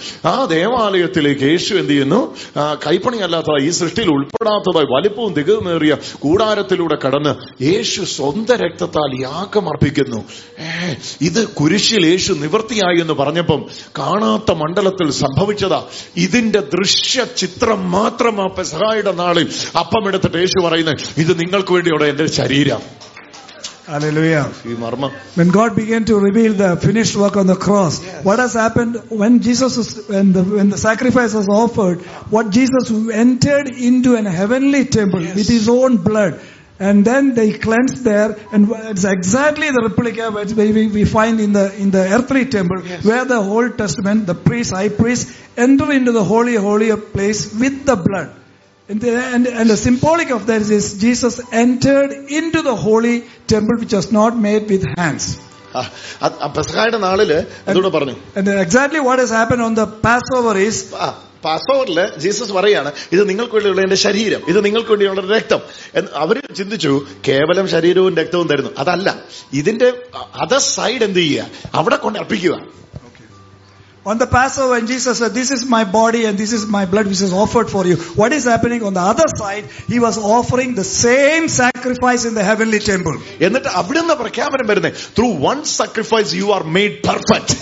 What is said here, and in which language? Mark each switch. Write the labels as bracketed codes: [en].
[ml] ആ ദേവാലയത്തിലേക്ക് യേശു എന്ത് ചെയ്യുന്നു, കൈപ്പണിയല്ലാത്തതായി ഈ സൃഷ്ടിയിൽ ഉൾപ്പെടാത്തതായി വലിപ്പവും തികുന്നേറിയ കൂടാരത്തിലൂടെ കടന്ന് യേശു സ്വന്തം രക്തത്താൽ യാഗമർപ്പിക്കുന്നു. ഇത് കുരിശിൽ യേശു നിവൃത്തിയായി എന്ന് പറഞ്ഞപ്പം കാണാത്ത മണ്ഡലത്തിൽ സംഭവിച്ചതാ. ഇതിന്റെ ദൃശ്യ ചിത്രം മാത്രമാ പെസഹായുടെ നാളിൽ അപ്പം എടുത്തിട്ട് യേശു പറയുന്നത്, ഇത് നിങ്ങൾക്ക് വേണ്ടിയുടെ എന്റെ ശരീരം. [en] Hallelujah. When God began to reveal the finished work on the cross, yes. What has happened when Jesus was, when the sacrifice was offered, what Jesus entered into a heavenly temple, yes. With his own blood, and then they cleansed there, and it's exactly the replica which we find in the earthly temple, yes. Where the Old Testament, the priest, high priest, enter into the holier place with the blood. And the symbolic of that is Jesus entered into the holy temple which was not made with hands. And exactly what has happened on the Passover is... [ml] പാസ്പോർട്ടില് Jesus പറയാണ്, ഇത് നിങ്ങൾക്ക് വേണ്ടിയുള്ള എന്റെ ശരീരം, ഇത് നിങ്ങൾക്ക് വേണ്ടിയുള്ള രക്തം എന്ന് അവര് ചിന്തിച്ചു. കേവലം ശരീരവും രക്തവും തരുന്നു, അതല്ല. ഇതിന്റെ അദർ സൈഡ് എന്ത് ചെയ്യുക, അവിടെ കൊണ്ട് അർപ്പിക്കുക. [en] On the Passover, when Jesus said, this is my body and this is my blood which is offered for you. What is happening on the other side? He was offering the same sacrifice in the heavenly temple. [ml] എന്നിട്ട് അവിടെന്ന പ്രഖ്യാപനം വരുന്നത്, [en] through one sacrifice you are made perfect.